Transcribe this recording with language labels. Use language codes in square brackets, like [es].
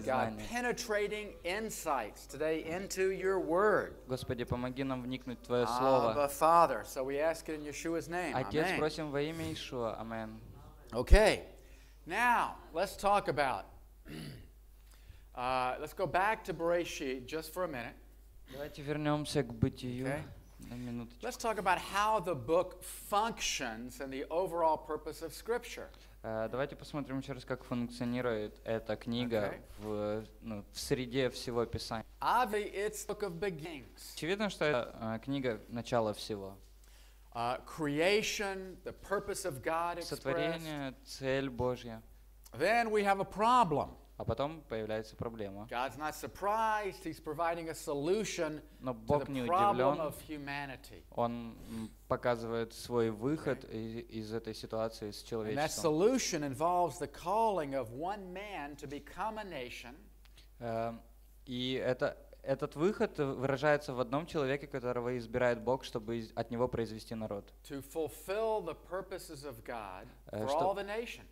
[en] Lord God, penetrating insights today into Your Word. [ru] Господи, помоги нам вникнуть в Твое слово. [en] Abba, Father, so we ask it in Yeshua's name. [ru] Отец, просим во имя Иешуа. [en] Amen. Okay, now let's talk about. Let's go back to Bereishit just for a minute. [ru] Давайте вернемся к Бытию. [en] Let's talk about how the book functions and the overall purpose of Scripture. [ru] Давайте посмотрим еще раз, как функционирует эта книга в, ну, в среде всего Писания. [en] Obviously, it's book of beginnings. [ru] Очевидно, что это книга начала всего. [en] Creation, the purpose of God expressed. [ru] Сотворение, цель Божья. [en] Then we have a problem. [ru] А потом появляется проблема. [en] God's not surprised, he's providing a solution to the problem of humanity. [ru] Он показывает свой выход из этой ситуации с человечеством. [en] And that solution involves the calling of one man to become a nation. [ru] И этот выход выражается в одном человеке, которого избирает Бог, чтобы от него произвести народ. [en] To fulfill the purposes of God for all the nations.